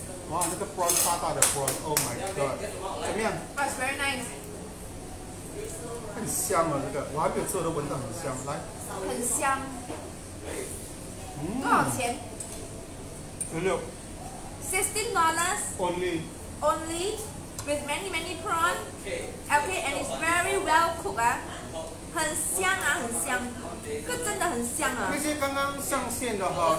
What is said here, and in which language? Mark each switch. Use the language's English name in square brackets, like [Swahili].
[Chinese] 哇，那个 prawn 大大的 prawn， [English] Oh my god， [Chinese] 怎么样？ [English] That's very nice， [Chinese] 很香啊，这个我还没有吃，都闻到很香，来，很香，多少钱？16 [English] $16 only with many prawn， okay， and it's very well cooked [Chinese] 啊，很香啊，很香。这真的很香啊！那些刚刚上线的哈